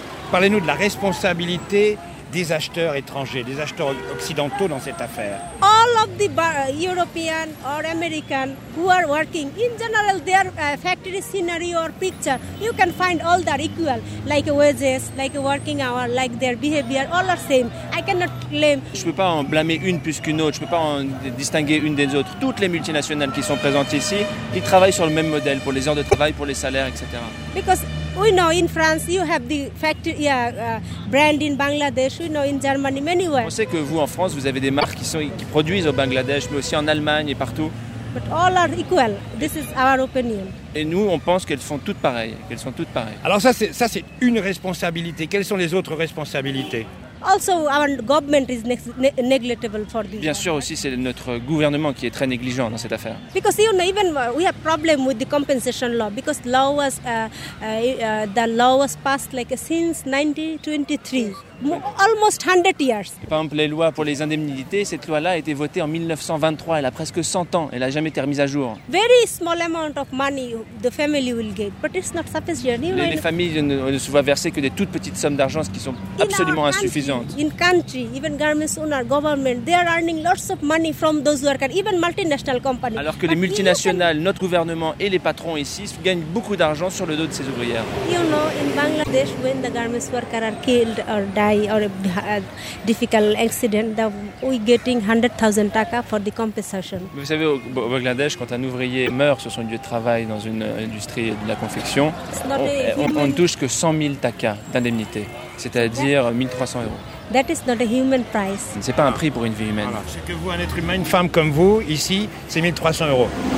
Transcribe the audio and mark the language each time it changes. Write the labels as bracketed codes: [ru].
[fr] Parlez-nous de la responsabilité des acheteurs étrangers, des acheteurs occidentaux dans cette affaire. [en] All of the European or American who are working, in general, their factory scenario or picture, you can find all that equal, like wages, like working hour, like their behavior, all are same. I cannot claim. [fr] Je ne peux pas en blâmer une plus qu'une autre, je ne peux pas en distinguer une des autres. Toutes les multinationales qui sont présentes ici, ils travaillent sur le même modèle pour les heures de travail, pour les salaires, etc. [en] Because we know in France you have the factory brand in Bangladesh, we know in Germany many ways. [fr] On sait que vous en France vous avez des marques qui produisent au Bangladesh mais aussi en Allemagne et partout. [en] But all are equal. This is our opinion. [fr] Et nous on pense qu'elles font toutes pareilles, qu'elles sont toutes pareilles. Alors ça c'est une responsabilité. Quelles sont les autres responsabilités? [en] Also our government is negligible for this. [fr] Bien sûr aussi c'est notre gouvernement qui est très négligent dans cette affaire. [en] Because you know, even we have problem with the compensation law because law was the law was passed like since 1923 almost 100 years. [fr] Par exemple les lois pour les indemnités, cette loi là a été votée en 1923, elle a presque 100 ans, elle a jamais été remise à jour. [en] Very small amount of money the family will get but it's not sufficient. [fr] Les familles ne se voient verser que des toutes petites sommes d'argent, ce qui sont absolument insuffisantes. [en] In country, even garments owner, government, they are earning lots of money from those workers, even multinational companies. [fr] Alors que les multinationales, notre gouvernement et les patrons ici gagnent beaucoup d'argent sur le dos de ces ouvrières. [en] You know, in Bangladesh, when the garments worker are killed or die or a difficult accident, that we getting 100,000 taka for the compensation. [fr] Vous savez, au Bangladesh, quand un ouvrier meurt sur son lieu de travail dans une industrie de la confection, on ne touche que 100 000 taka d'indemnité. C'est-à-dire 1300 euros. [en] That is not a human price. [fr] Ce n'est pas un prix pour une vie humaine. Voilà. C'est que vous, un être humain, une femme comme vous, ici, c'est 1300 euros.